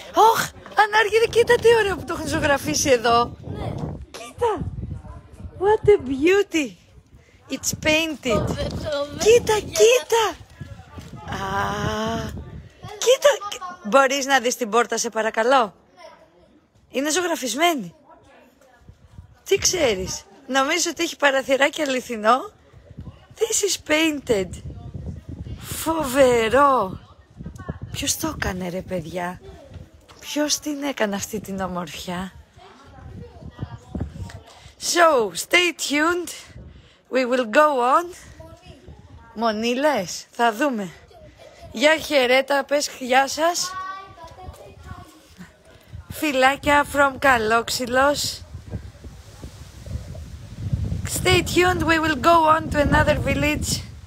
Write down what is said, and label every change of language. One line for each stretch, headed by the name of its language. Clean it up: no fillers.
Greek: Οχ, Ανάργυρη, κοίτα τι ωραίο που το έχουν ζωγραφίσει εδώ.
English: Κοίτα, what a beauty. It's painted.
Greek: Κοίτα, κοίτα! Α, Α, κοίτα, μπορείς να δεις την πόρτα, σε παρακαλώ. Είναι ζωγραφισμένη. Τι ξέρεις, νομίζω ότι έχει παραθυράκι αληθινό.
English: This is painted. Φοβερό.
Greek: Ποιος το έκανε, ρε παιδιά? Ποιος την έκανε αυτή την ομορφιά?
English: So, stay tuned. We will go on.
Greek: Μονή λες, θα δούμε. Γεια χαιρέτα, πες γεια σας. Φιλάκια from Καλόξυλος.
English: Stay tuned, we will go on to another village.